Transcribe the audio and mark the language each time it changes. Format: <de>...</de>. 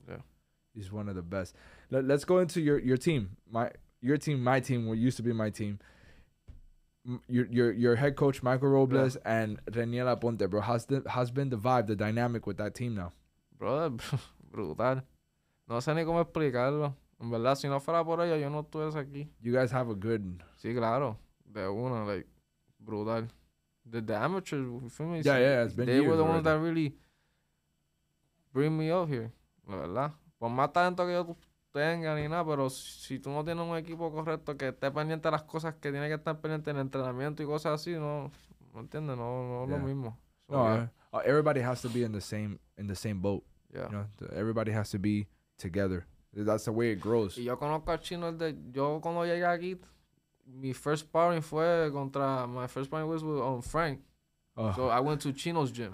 <en>Yeah. He's one of the best. Let's go into your team. My team, what used to be my team. Your head coach Michael Robles and Reniel Aponte, bro. Has been the vibe, the dynamic with that team now?</en> <es>Bro, brutal. No sé ni cómo explicarlo. En verdad, si no fuera por ellos, yo no estuviese aquí.</es> <en>You guys have a good.</en> <es>Sí, claro. De una,</es> <en>like, brutal. The amateurs, you feel me? Yeah, it's been they years. They were the already. Ones that really bring me up here.</en> <es>La verdad. Por más talento que yo tenga ni nada, pero si tú no tienes un equipo correcto que esté pendiente de las cosas que tiene que estar pendiente en entrenamiento y cosas así, no entiendes, no es lo mismo.</es> <en>So, no, everybody has to be in the same boat. Yeah. You know, everybody has to be together. That's the way it grows.</en> <es>Y yo conozco al chino yo cuando llegué aquí, mi first sparring fue contra,</es> <en>my first sparring was with Frank. Oh. So I went to Chino's gym.</en>